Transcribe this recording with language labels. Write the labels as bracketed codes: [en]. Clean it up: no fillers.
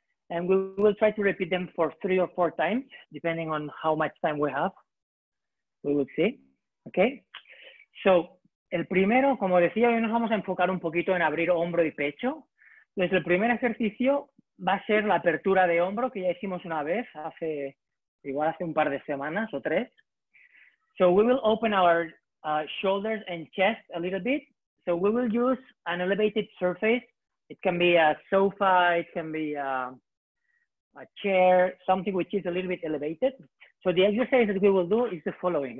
[en] And we will try to repeat them for 3 or 4 times, depending on how much time we have. We will see. Okay? [es] So, el primero, como decía, hoy nos vamos a enfocar un poquito en abrir hombro y pecho. Entonces, el primer ejercicio va a ser la apertura de hombro, que ya hicimos una vez, hace igual hace un par de semanas o tres. [en] So, we will open our shoulders and chest a little bit. So, we will use an elevated surface. It can be a sofa, it can be a chair, something which is a little bit elevated. So, the exercise that we will do is the following.